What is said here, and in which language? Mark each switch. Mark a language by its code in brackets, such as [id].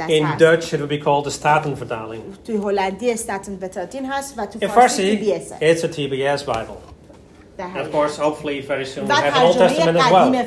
[fa] هست. [en] In Dutch it will be called the Statenvertaling. [fa] تو هلندی استاتنورتالین هست و تو فارسی TBS. [en] It's a TBS Bible. Of course, hopefully, very soon we have an Old Testament as well.